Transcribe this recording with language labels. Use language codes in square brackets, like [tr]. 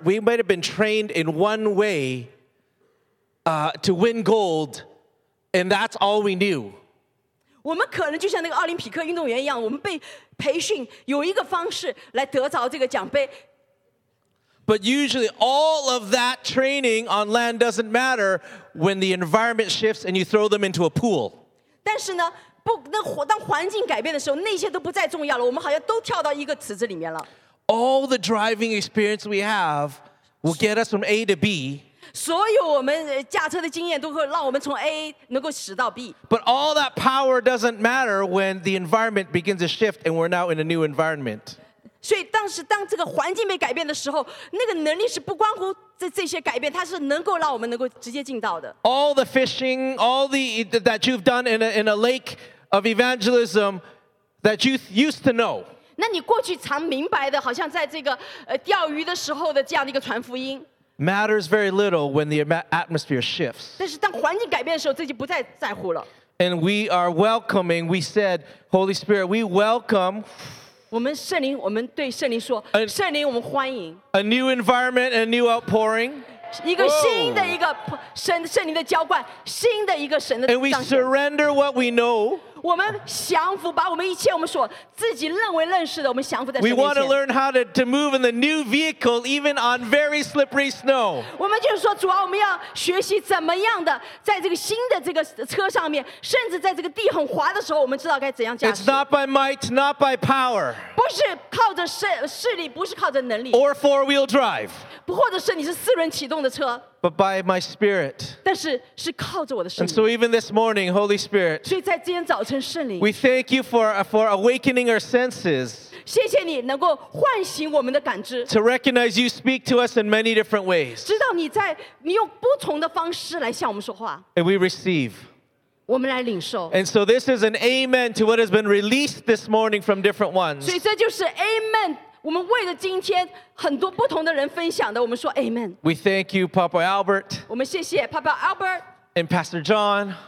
[en] We might have been trained in one way to win gold, and that's all we knew. [zh] 我们可能就像那个奥林匹克运动员一样，我们被培训有一个方式来得着这个奖杯。 [en] But usually, all of that training on land doesn't matter when the environment shifts and you throw them into a pool. [zh] 但是呢。不，那当环境改变的时候，那些都不再重要了。我们好像都跳到一个池子里面了。 [en] All the driving experience we have will get us from A to B. [zh] 所有我们驾车的经验都会让我们从 A 能够驶到 B. [en] But all that power doesn't matter when the environment begins to shift and we're now in a new environment. [zh] 所以当这个环境被改变的时候，那个能力是不关乎。这些改变，它是能够让我们能够直接进到的。 [en] All the fishing, all the that you've done in a lake of evangelism that you used to know. [zh] 那你过去常明白的，好像在这个钓鱼的时候的这样的一个传福音。 [en] Matters very little when the atmosphere shifts. [zh] 但是当环境改变的时候，自己不再在乎了。 [en] And we are welcoming. We said, Holy Spirit, we welcome. [zh] 我们圣灵，我们对圣灵说，圣灵，我们欢迎。 [en] A new environment, a new outpouring. [zh] 一个新的一个神圣灵的浇灌，新的一个神的彰显。 [en] And we surrender what we know. [zh] 我们降服，把我们一切我们所自己认为认识的，我们降服在神面前。 [en] We want to learn how to move in the new vehicle, even on very slippery snow. [zh] 我们就是说，主啊，我们要学习怎么样的在这个新的这个车上面，甚至在这个地很滑的时候，我们知道该怎样驾驶。 [en] It's not by might, not by power. [zh] 不是靠着势力，不是靠着能力。 [en] Or four-wheel drive. [zh] 或者是你是四轮启动的车。 [en] but by my Spirit. [zh] 但是靠着我的圣灵。 [en] And so even this morning, Holy Spirit, [zh] 所以在今天早晨圣灵, [en] we thank you for awakening our senses. [zh] 谢谢你能够唤醒我们的感知, [en] to recognize you speak to us in many different ways. [zh] 知道你用不同的方式来向我们说话。 [en] And we receive. And so this is an amen to what has been released this morning from different ones. [zh] 所以这就是amen, 我们为了今天很多不同的人分享的,我们说amen。 [en] We thank you, Papa Albert. [zh] 我们谢谢Papa Albert. [en] And Pastor John.